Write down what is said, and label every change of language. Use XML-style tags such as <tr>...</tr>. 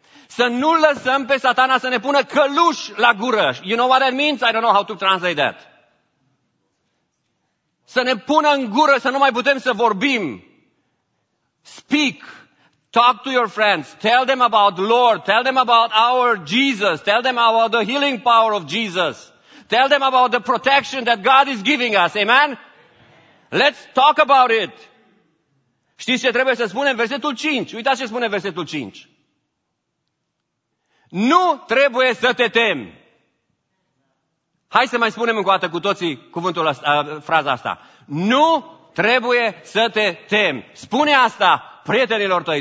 <ro>Să nu lăsăm pe satana să ne pună căluși la gură.</ro> <en>You know what that means? I don't know how to translate that.</en> <ro>Să ne pună în gură, să nu mai putem să vorbim.</ro> <en>Speak. Talk to your friends. Tell them about the Lord. Tell them about our Jesus. Tell them about the healing power of Jesus. Tell them about the protection that God is giving us. Amen? Let's talk about it.</en> <ro>Știți ce trebuie să spunem? Versetul 5. Uitați ce spune versetul 5. Nu trebuie să te temi. Hai să mai spunem încă o dată cu toții cuvântul ăsta, fraza asta. Nu trebuie să te temi. Spune asta prietenilor tăi.</ro>